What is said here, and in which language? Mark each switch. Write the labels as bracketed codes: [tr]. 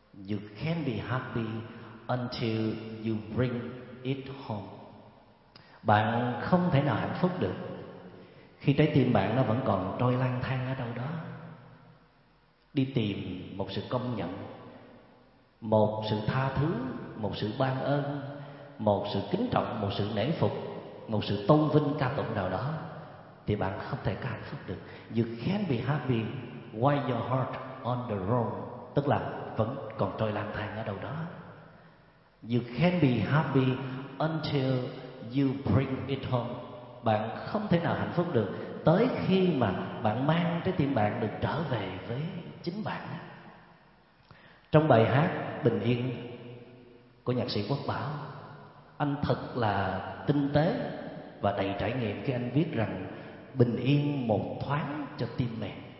[en] You can be happy until you bring it home." [vi] Bạn không thể nào hạnh phúc được khi trái tim bạn nó vẫn còn trôi lang thang ở đâu đó, đi tìm một sự công nhận, một sự tha thứ, một sự ban ơn, một sự kính trọng, một sự nể phục, một sự tôn vinh ca tụng nào đó, thì bạn không thể có hạnh phúc được. [en] You can be happy while your heart on the road, [vi] tức là vẫn còn trôi lang thang ở đâu đó. [en] You can be happy until you bring it home. [vi] Bạn không thể nào hạnh phúc được tới khi mà bạn mang trái tim bạn được trở về với chính bạn. Trong bài hát Bình Yên của nhạc sĩ Quốc Bảo, anh thật là tinh tế và đầy trải nghiệm khi anh viết rằng bình yên một thoáng cho tim mẹ.